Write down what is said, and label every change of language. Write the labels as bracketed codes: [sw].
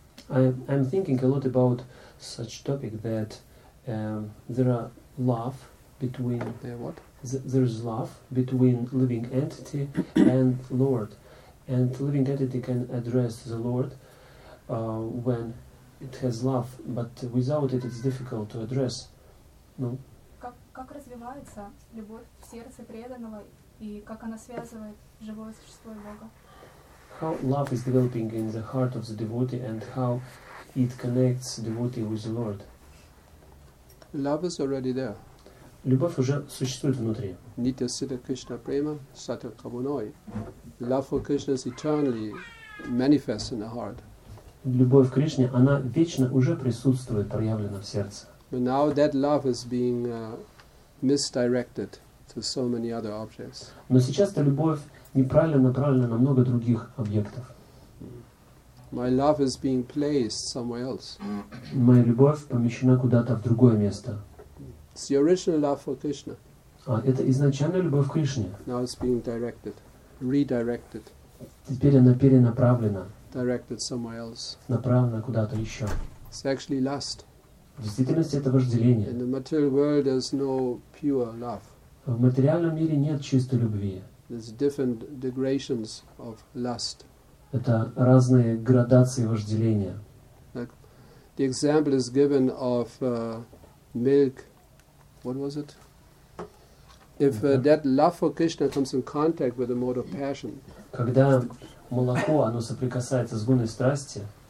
[en] I'm thinking a lot about such topic that there are love between there's love between living entity and Lord, and living entity can address the Lord when it has love, but without it it's difficult to address. No. [ru] Как развивается любовь в сердце преданного и как она связывает живое существо и Бога? [en] How love is developing in the heart of the devotee and how it connects devotee with the Lord. Love is already there. [ru] Любовь уже существует внутри. [bn] Nitya Siddha Krishna Prema Sata Kabunoi. [en] Love for Krishna is eternally manifest in the heart. [ru] Любовь к Кришне, она вечно уже присутствует, проявлена в сердце. [en] But now that love is being misdirected to so many other objects. [ru] Но сейчас эта любовь неправильно направлено на много других объектов. [en] My love is being placed somewhere else. [ru] Моя любовь помещена куда-то в другое место. [en] It's the original love for Krishna. [ru] А, это изначальная любовь к Кришне. [en] Now it's being directed, redirected. [ru] Теперь она перенаправлена. [en] Directed somewhere else. [ru] Направлена куда-то еще. [en] It's actually lust. [ru] В действительности это вожделение. [en] In the material world there's no pure love. [ru] В материальном мире нет чистой любви. [en] There's different degrees of lust. [ru] Это разные градации вожделения. [en] Like the example is given of milk. What was it? If that love for Krishna comes in contact with the mode of passion. [ru] Когда молоко оно соприкасается с гуной страсти.